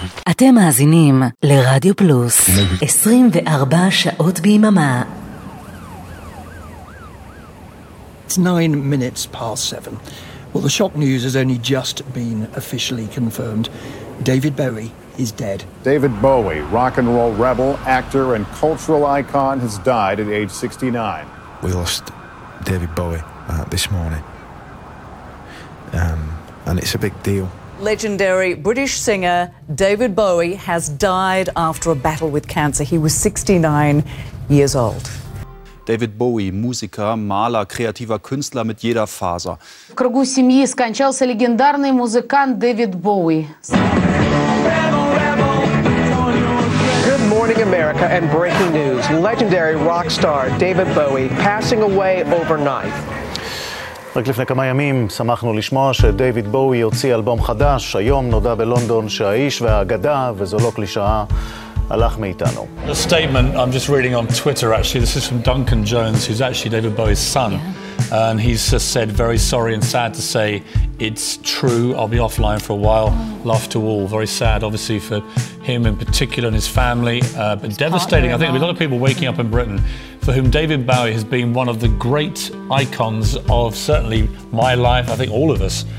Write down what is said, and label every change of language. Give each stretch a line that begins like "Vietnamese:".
Hebrew: אתם מאזינים לרדיו פלוס 24 שעות ביממה.
English: It's 9 minutes past 7. Well, the shock news has only just been officially confirmed. David Bowie is dead. David Bowie, rock and roll rebel, actor, and cultural icon, has died at age 69. We lost David Bowie this morning. And it's a big deal. Legendary British singer David Bowie has died after a battle with cancer. He was 69 years old.
German: David Bowie, Musiker, Maler, kreativer Künstler mit jeder Faser.
Russian: В кругу семьи скончался легендарный музыкант Дэвид Боуи.
English: Good morning, America, and breaking news. Legendary rock star David Bowie passing away overnight.
Hebrew: רק לפני כמה ימים שמחנו לשמוע שדייוויד בואי הוציא אלבום חדש. היום נודע בלונדון שהאיש והאגדה, וזו לא קלישאה, הלך מאיתנו.
English: A statement I'm just reading on Twitter, actually. This is from Duncan Jones, who's actually David Bowie's son. Yeah. And he's just said, very sorry and sad to say, it's true, I'll be offline for a while. Love to all. Very sad, obviously, for him in particular and his family. But it's devastating, I think, a lot of people waking up in Britain for whom David Bowie has been one of the great icons of certainly my life, I think all of us.